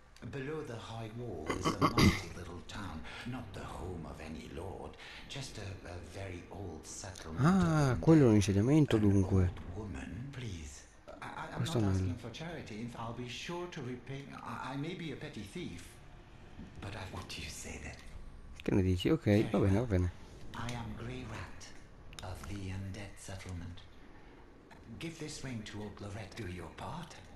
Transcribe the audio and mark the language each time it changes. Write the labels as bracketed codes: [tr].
[en] Below the high wall is a mighty little town, not the home of any lord, just a very old settlement. [it] Ah, quello è un insediamento dunque. [en] Woman, please. Questo I'm not asking for charity, I'll be sure to repay. I may be a petty thief, but I've what do you say that? [it] Che ne dici? Ok, va bene, va bene. [en] I am Grey Rat of the Undead Settlement. Give this ring to Old Loret, do your part.